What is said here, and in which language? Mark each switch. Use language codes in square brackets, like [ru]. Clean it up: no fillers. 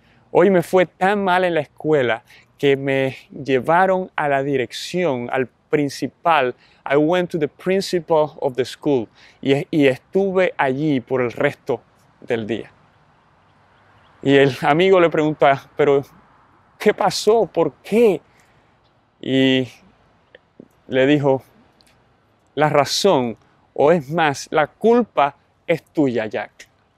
[es] Hoy me fue tan mal en la escuela que me llevaron a la dirección, al principal. [en] I went to the principal of the school. [es] Y estuve allí por el resto del día. Y el amigo le pregunta, pero ¿qué pasó? ¿Por qué? Y le dijo, la razón, o es más, la culpa es tuya, Jack.